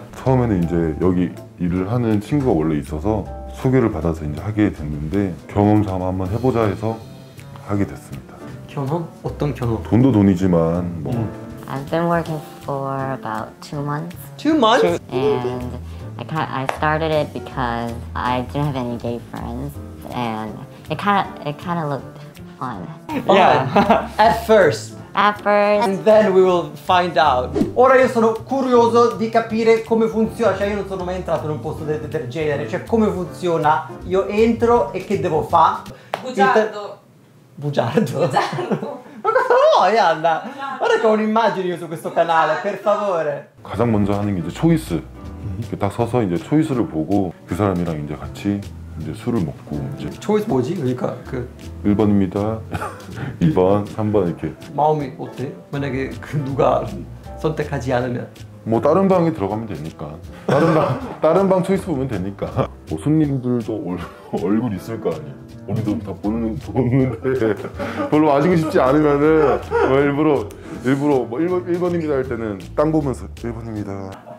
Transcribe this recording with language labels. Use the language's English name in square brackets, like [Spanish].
[Korean] 처음에는 이제 여기 일을 하는 친구가 원래 있어서 소개를 받아서 이제 하게 됐는데 경험 삼아 한번 해보자 해서 하게 됐습니다. 경험? 어떤 경험? 돈도 돈이지만 뭐. [English] I've been working for about 2 months. 2 months? And I started it because I didn't have any gay friends and it kind of looked fun. Yeah, at first, and then we will find out. [Italian] Ora io sono curioso di capire come funziona. Cioè, io non sono mai entrato in un posto del genere. Cioè, come funziona? Io entro e che devo fare? Bugiardo. Ma cosa vuoi, Anna? Guarda che ho un'immagine io su questo canale, per favore. [Korean] 가장 먼저 하는 게 이제 초이스. 이렇게 딱 서서 이제 초이스를 보고 그 사람이랑 이제 같이. 이제 술을 먹고 이제 초이스 뭐지? 그러니까 그 1번입니다 2번 3번 이렇게 마음이 어때? 만약에 그 누가 선택하지 않으면 뭐 다른 방에 들어가면 되니까 다른 방 초이스 보면 되니까 뭐 손님들도 얼굴 있을 거 아니야 우리도 다 보는데 별로 마시고 싶지 않으면은 뭐 일부러 뭐 1번입니다 할 때는 땅 보면서 1번입니다